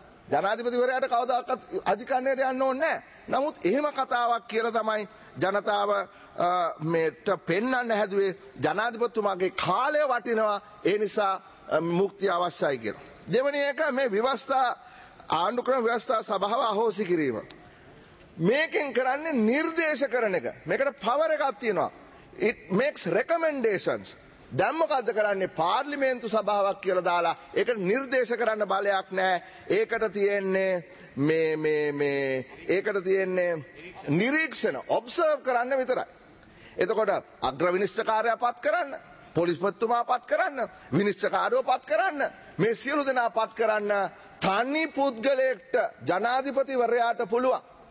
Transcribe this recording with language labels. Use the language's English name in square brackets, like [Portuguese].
[Sinhala] ජනාධිපතිවරයාට කවදාකවත් අධිකරණයට යන්න ඕනේ නැහැ. නමුත් එහෙම කතාවක් කියලා තමයි ජනතාව මේට පෙන්වන්න හැදුවේ. ජනාධිපතිතුමාගේ කාලය වටිනවා, ඒ නිසා මුක්තිය අවශ්‍යයි කියලා. දෙවෙනි එක මේ ව්‍යවස්ථා ආණ්ඩුක්‍රම ව්‍යවස්ථා සභාව අහෝසි කිරීම. මේකෙන් කරන්නේ නිර්දේශ කරන එක. මේකට පවර් එකක් තියෙනවා. [English] It makes recommendations. [Sinhala] දැන් මොකද්ද කරන්නේ? පාර්ලිමේන්තු සභාවක් කියලා දාලා ඒකට නිර්දේශ කරන්න බලයක් නැහැ. ඒකට තියෙන්නේ මේ මේ මේ ඒකට තියෙන්නේ නිරීක්ෂණ, observe කරන්න විතරයි. එතකොට අග්‍ර විනිශ්චකාරය පත් කරන්න, පොලිස්පතිතුමා පත් කරන්න, විනිශ්චකාරව පත් කරන්න, මේ සියලු දෙනා පත් කරන්න තනි පුද්ගලයෙක්ට ජනාධිපතිවරයාට පුළුවන්.